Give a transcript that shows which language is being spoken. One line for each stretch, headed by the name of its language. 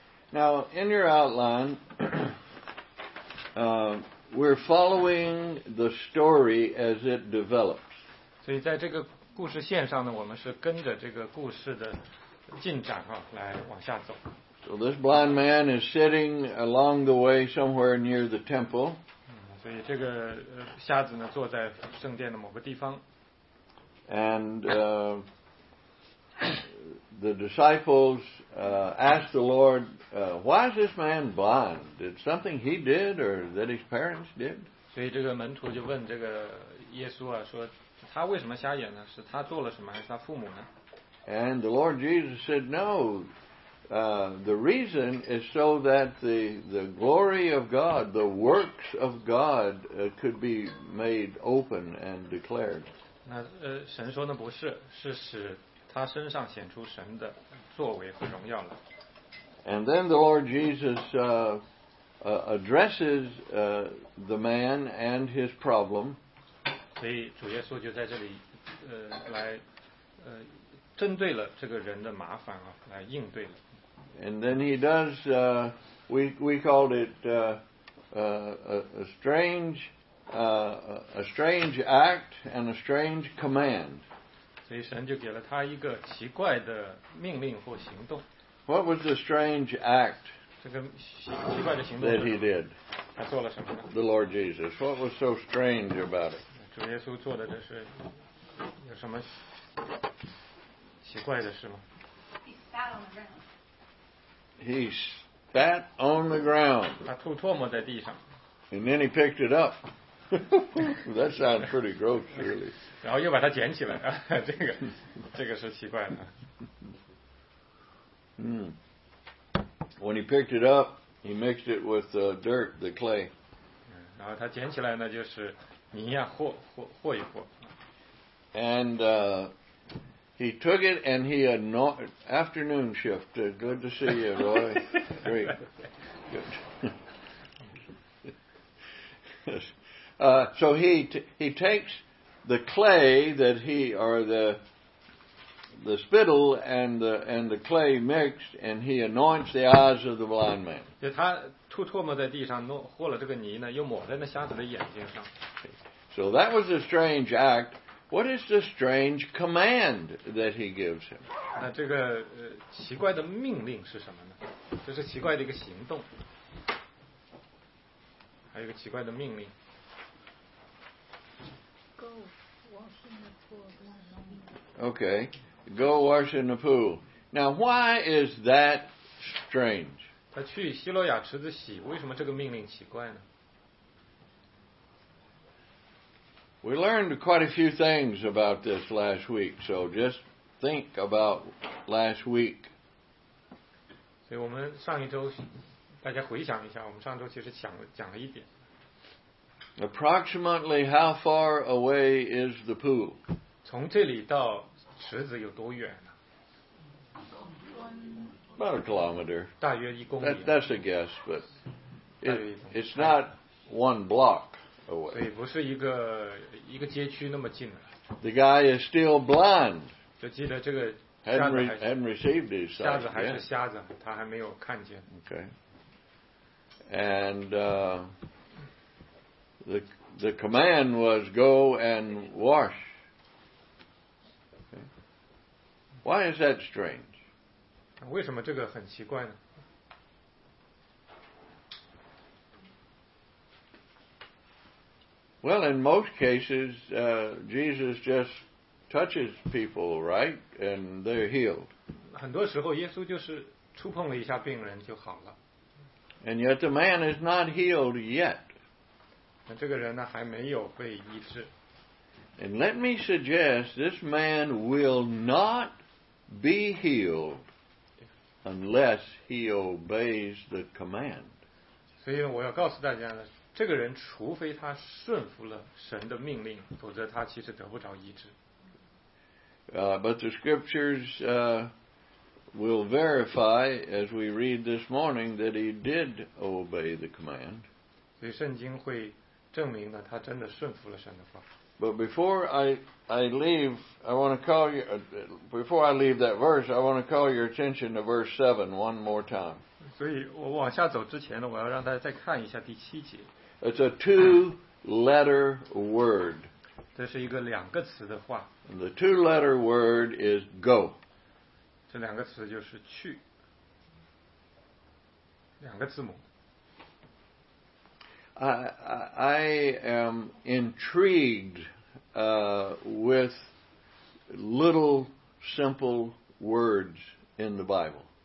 English: Now, in your outline, we're following the story as it develops.
Chinese: 所以在这个故事线上呢，我们是跟着这个故事的进展啊，来往下走。
English: So this blind man is sitting along the way somewhere near the temple.
Chinese: 所以这个瞎子呢，坐在圣殿的某个地方。
English: And the disciples asked the Lord, why is this man blind? Is it something he did or that his parents did?
Chinese: 所以这个门徒就问这个耶稣啊，说他为什么瞎眼呢？是他做了什么，还是他父母呢？
English: And the Lord Jesus said, no, the reason is so that the glory of God, the works of God, could be made open and declared.
Chinese: 那神说呢，不是，是使他身上显出神的作为和荣耀了。
English: And then the Lord Jesus addresses the man and his problem.
Chinese: 所以主耶稣就在这里来针对了这个人的麻烦啊，来应对了。
English: And then he does we called it a strange act and a strange command.
Chinese: 所以神就给了他一个奇怪的命令或行动。
English: What was the strange act?
Chinese: 这个奇怪的行动。
English: That he did.
Chinese: 他做了什么呢？
English: The Lord Jesus. What was so strange about it?
Chinese: 主耶稣做的这是有什么奇怪的事吗？
English: He spat on the ground.
Chinese: 他吐唾沫在地上。
English: And then he picked it up. That sounds pretty gross, really.
Chinese: 然后又把它捡起来，这个是奇怪的。
English: When he picked it up, he mixed it with the dirt, the clay.
Chinese: 然后他捡起来呢，就是泥呀，和一和。
English: And he took it and he anointed. Afternoon shift. Good to see you, Roy. Great. Good. So he takes the clay that he or the spittle and the clay mixed, and he anoints the eyes of the blind man.
Chinese: 就他吐唾沫在地上，弄和了这个泥呢，又抹在那瞎子的眼睛上。
English: So that was a strange act. What is the strange command that he gives him?
Chinese: 那这个奇怪的命令是什么呢？这是奇怪的一个行动，还有一个奇怪的命令。
English: Okay, go wash in the pool. Now, why is that strange?
Chinese: 他去希罗亚池子洗，为什么这个命令奇怪呢？
English: We learned quite a few things about this last week, so just think about last week.
Chinese: 所以我们上一周，大家回想一下，我们上周其实讲了一点。
English: Approximately how far away is the pool?
Chinese: 从这里到池子有多远呢？
English: About a kilometer.
Chinese: 大约一公里。
English: That's a guess, but it's not one block away.
Chinese: 所以不是一个街区那么近了。
English: The guy is still blind.
Chinese: 就记得这个
English: hadn't received his sight.
Chinese: 瞎子还是瞎子，他还没有看见。
English: Okay. And The command was go and wash. Okay. Why is that strange?
Chinese: 为什么这个很奇怪呢？
English: Well, in most cases, Jesus just touches people, right? And they're healed.
Chinese: 很多时候耶稣就是触碰了一下病人就好了。
English: And yet the man is not healed yet.
Chinese: 这个人呢还没有被医治。
English: And let me suggest this man will not be healed unless he obeys the command.
Chinese: 所以我要告诉大家呢，这个人除非他顺服了神的命令，否则他其实得不着医治。
English: But the scriptures will verify, as we read this morning, that he did obey the command.
Chinese: 所以圣经会证明呢，他真的顺服了神的话。
English: But before I leave, I want to call you, before I leave that verse, I want to call your attention to verse 7 one more time.
Chinese: 所以我往下走之前呢，我要让大家再看一下第七节。
English: It's a two-letter word.
Chinese: 这是一个两个词的话。
English: And the two-letter word is go.
Chinese: 这两个词就是去，两个字母。
English: I am intrigued with little simple words in the Bible.